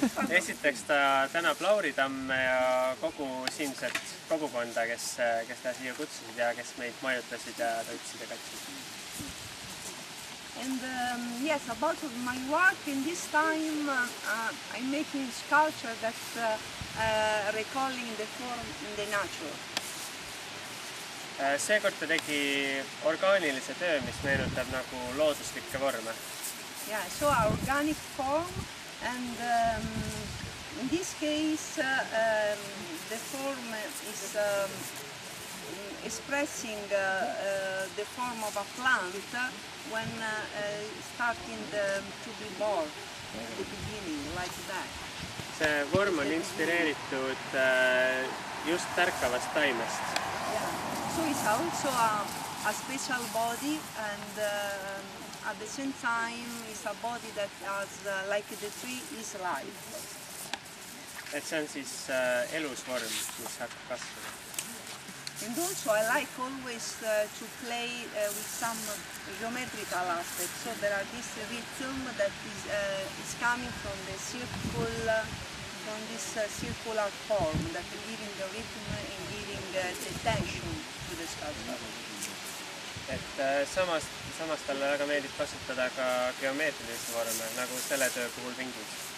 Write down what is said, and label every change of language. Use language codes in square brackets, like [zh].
[et] Esiteks ta tänab Lauri Tamme ja kogu siinset kogukonda, kes ta siia kutsusid ja kes meid majutasid ja tõtsid ja katsid. [en] And yes, about my work in this time, I'm making sculpture that's recalling the form in the nature. [et] Seekord ta tegi orgaanilise töö, mis meenutab nagu looduslikke vorme. [en] Yeah, so organic form and in this case the form is expressing the form of a plant when starting to be born, the beginning, like that. [et] See vorm on inspireeritud just tärkavast taimest. [en] So it's also a special body and at the same time it's a body that has like the tree is life. [et] Et see on siis elus vorm, mis hakkab kasvama. [en] And also I like always to play with some geometrical aspects. So there are this rhythm that is coming from the circle, from this circular form that is giving the rhythm and giving the tension to the sculpture. [et] Et samas talle väga meeldib kasutada ka geomeetrilise vorme, nagu selle töö puhul vingid.